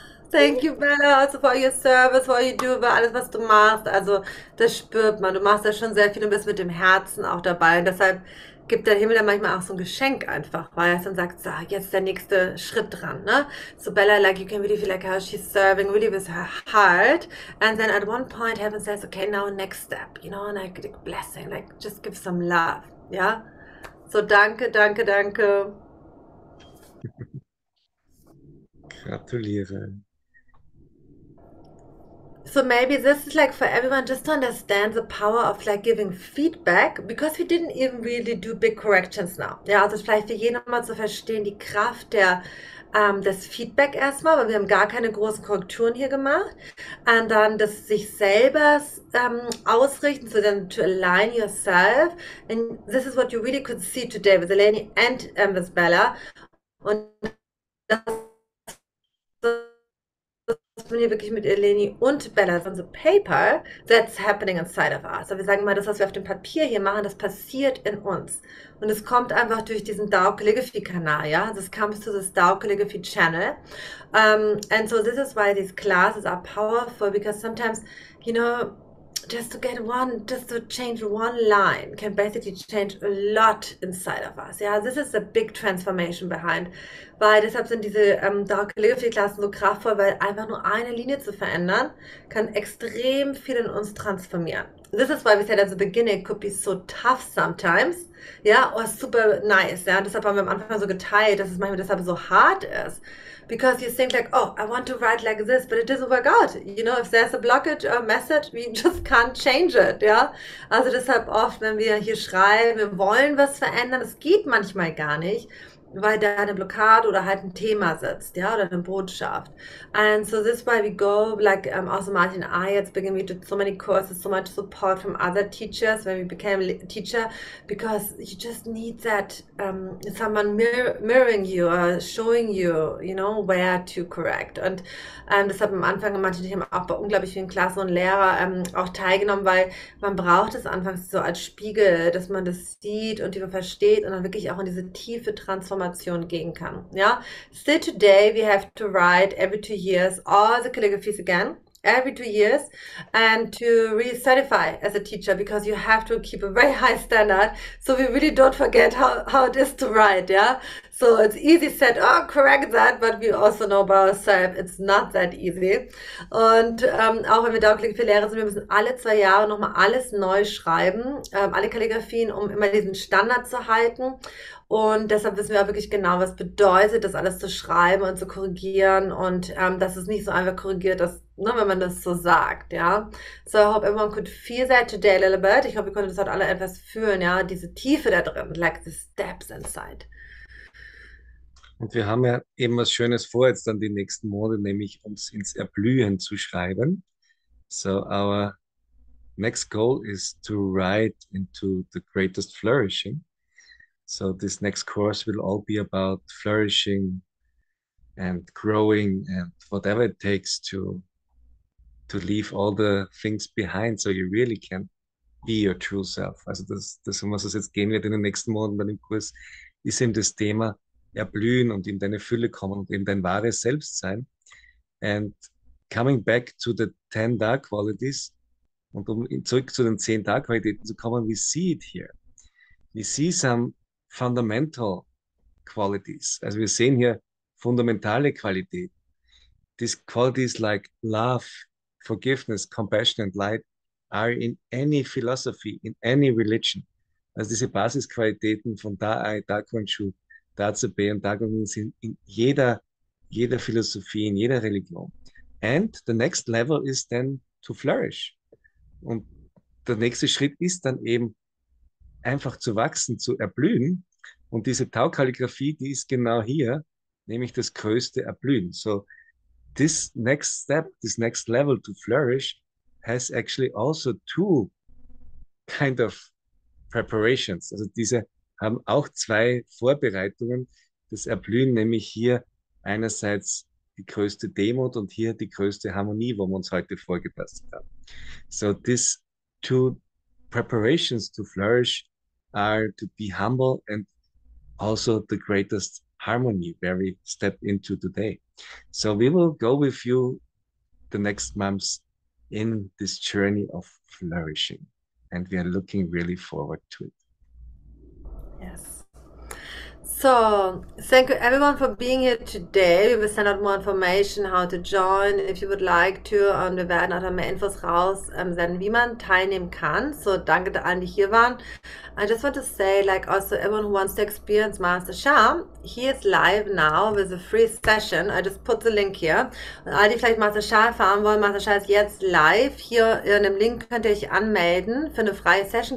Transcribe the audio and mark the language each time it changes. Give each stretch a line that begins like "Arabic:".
English: Thank you, Bella, also for your service, for what you do,
German: für alles, was du machst. Also, das spürt man. Du machst ja schon sehr viel und bist mit dem Herzen auch dabei. Und deshalb gibt der Himmel dann manchmal auch so ein Geschenk einfach, weil er dann sagt, so, jetzt ist der nächste Schritt dran, ne?
English: So, Bella, like, you can really feel like how she's serving, really with her heart. And then at one point, heaven says, okay, now next step, you know, like blessing, like, just give some love, ja?
German: Yeah? So, danke, danke, danke. Gratuliere.
English: So maybe this is like for everyone just to understand the power of like giving feedback, because we didn't even really do big corrections now.
German: Ja, also vielleicht für jeden mal zu verstehen, die Kraft der das Feedback erstmal, weil wir haben gar keine großen Korrekturen hier gemacht. Und dann das sich selber ausrichten,
English: so then to align yourself. And this is what you really could see today with Eleni and with Bella.
German: Und das wir wirklich mit Eleni und Bella so Paper,
English: that's happening inside of us.
German: Also wir sagen mal, das, was wir auf dem Papier hier machen, das passiert in uns. Und es kommt einfach durch diesen Dow-Calligraphy-Kanal, ja?
English: Das comes to this Dow-Calligraphy-Channel. And so this is why these classes are powerful, because sometimes, you know, just to get one, just to change one line can basically change a lot inside of us. Yeah, this is a big transformation behind.
German: Weil deshalb sind diese Dow-Calligraphy-Klassen so kraftvoll, weil einfach nur eine Linie zu verändern, kann extrem viel in uns transformieren.
English: This is why we said at the beginning, it could be so tough sometimes. Ja, yeah, or super nice. Ja, yeah?
German: Deshalb haben wir am Anfang so geteilt, dass es manchmal deshalb so hart ist.
English: Because you think like, oh, I want to write like this, but it doesn't work out. You know, if there's a blockage or message, we just can't change it. Ja, yeah?
German: Also deshalb oft, wenn wir hier schreiben, wir wollen was verändern, es geht manchmal gar nicht, weil da eine Blockade oder halt ein Thema sitzt, ja, oder eine Botschaft.
English: And so this is why we go, like also Martin and I,
German: jetzt beginnen wir
English: to so many courses, so much support from other teachers, when we became teacher, because you just need that someone mirroring you or showing you, you know, where to correct.
German: Und das hat am Anfang gemacht, ich habe auch bei unglaublich vielen Klassen und Lehrer auch teilgenommen, weil man braucht es anfangs so als Spiegel, dass man das sieht und die versteht und dann wirklich auch in diese tiefe Transformation gehen kann.
English: Ja, still today we have to write every 2 years all the calligraphies again, every 2 years, and to recertify as a teacher, because you have to keep a very high standard, so we really don't forget how it is to write. Yeah, so it's easy said, oh, correct that, but we also know by ourselves it's not that easy.
German: Und auch wenn wir da für Lehrer sind, wir müssen alle 2 Jahre noch mal alles neu schreiben, alle Kalligrafien, um immer diesen Standard zu halten. Und deshalb wissen wir auch wirklich genau, was bedeutet, das alles zu schreiben und zu korrigieren. Und dass es nicht so einfach korrigiert, dass, ne, wenn man das so sagt, ja.
English: So, I hope everyone could feel that today a little bit.
German: Ich hoffe, ihr konntet das heute alle etwas fühlen, ja. Diese Tiefe da drin,
English: like the steps inside.
German: Und wir haben ja eben was Schönes vor, jetzt dann die nächsten Monate, nämlich uns ins Erblühen zu schreiben.
English: So, our next goal is to write into the greatest flourishing. So, this next course will all be about flourishing and growing and whatever it takes to leave all the things behind, so you really can be your true self.
German: Also, das, um was es jetzt gehen wird in den nächsten Monaten bei dem Kurs, ist eben das Thema, erblühen und in deine Fülle kommen und eben dein wahres Selbst sein.
English: And coming back to the 10 Dark Qualities
German: und um zurück zu den 10 Dark Qualities zu kommen,
English: we see it here. We see some fundamental qualities.
German: Also wir sehen hier fundamentale Qualität.
English: These qualities like love, forgiveness, compassion and light are in any philosophy, in any religion.
German: Also diese Basisqualitäten von
English: Da Ai, Da Quan Chu,
German: da zu B und da gehen sie in jeder Philosophie, in jeder Religion.
English: And the next level is then to flourish.
German: Und der nächste Schritt ist dann eben einfach zu wachsen, zu erblühen. Und diese Tau-Kalligraphie, die ist genau hier, nämlich das größte Erblühen.
English: So, this next step, this next level to flourish has actually also two kind of preparations.
German: Also diese haben auch zwei Vorbereitungen. Das Erblühen, nämlich hier einerseits die größte Demut und hier die größte Harmonie, wo wir uns heute vorgetastet haben.
English: So, these two preparations to flourish are to be humble and also the greatest harmony, where we step into today. So we will go with you the next months in this journey of flourishing. And we are looking really forward to it. So, thank you everyone for being here today. We will send out more information, how to join, if you would like to.
German: Und wir werden auch noch mehr Infos raus senden, wie man teilnehmen kann.
English: So,
German: danke allen, die hier waren.
English: I just want to say, like, also everyone who wants to experience Master Shah, he is live now with a free session. I just put the link here.
German: Und all, die vielleicht Master Shah erfahren wollen, Master Shah ist jetzt live. Hier in dem Link könnt ihr euch anmelden für eine freie Session.